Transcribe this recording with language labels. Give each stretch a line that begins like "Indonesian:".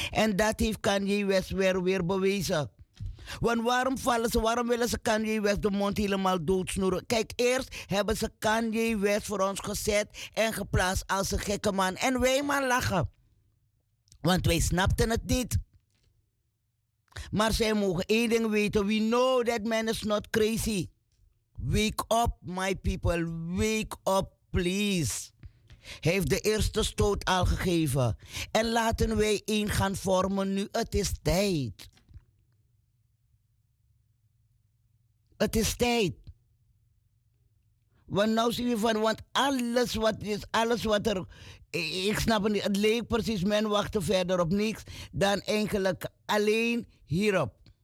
Dutch: En dat heeft Kanye West weer bewezen. Want waarom vallen ze, waarom willen ze Kanye West de mond helemaal doodsnoeren? Kijk, eerst hebben ze Kanye West voor ons gezet en geplaatst als een gekke man. En wij maar lachen. Want wij snapten het niet. Maar zij mogen één ding weten.
English: We know that man is not crazy. Wake up, my people. Wake up, please.
Dutch: Heeft de eerste stoot al gegeven. En laten wij één gaan vormen nu. Het is tijd. Het is tijd. Want nou zie je van, want alles wat is, alles wat er, ik snap het niet, het leek precies, men wachtte verder op niks dan eigenlijk alleen hierop.